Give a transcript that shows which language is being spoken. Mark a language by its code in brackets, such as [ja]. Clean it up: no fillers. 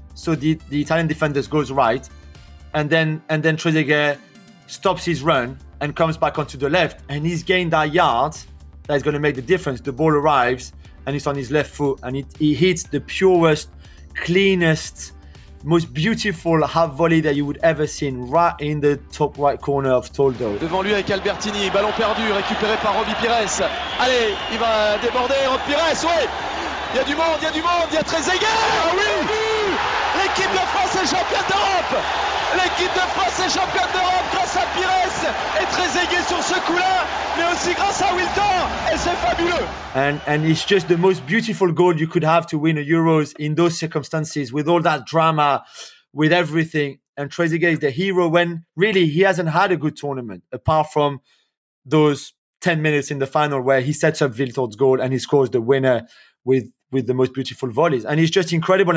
[en] So the Italian defenders goes right. And then Trezeguet stops his run and comes back onto the left. And he's gained that yard that's going to make the difference. The ball arrives and it's on his left foot. And he hits the purest, cleanest, most beautiful half volley that you would ever seen right in the top right corner of Toldo. [fr] Devant lui avec Albertini, ballon perdu, récupéré par Roby Pires. Allez, il va déborder, Roby Pires, oui. Il y a du monde, il y a Trezeguet. Ah oui, l'équipe de France est championne d'Europe. L'équipe de France est championne d'Europe grâce à Pires et Trezeguet sur ce coup-là, mais aussi grâce à Wiltord, et c'est fabuleux. [en] And it's just the most beautiful goal you could have to win a Euros in those circumstances with all that drama, with everything. And Trezeguet is the hero when really he hasn't had a good tournament apart from those 10 minutes in the final where he sets up Wiltord's goal and he scores the winner with the most beautiful volleys. And it's just incredible.